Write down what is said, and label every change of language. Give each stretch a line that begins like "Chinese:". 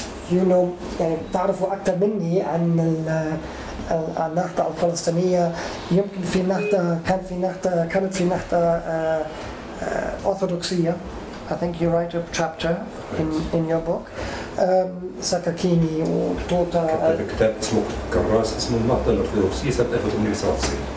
English: You know,
Arabic: تعرفوا أكثر مني عن النهضة الفلسطينية. يمكن في نهضة كان في نهضة كانت في نهضة أرثوذكسية.
English: I think you write a chapter in your book.
Arabic: سكاكيني وطوطة. كتاب اسمه كراس اسمه النهضة الأرثوذكسية سنة 1919.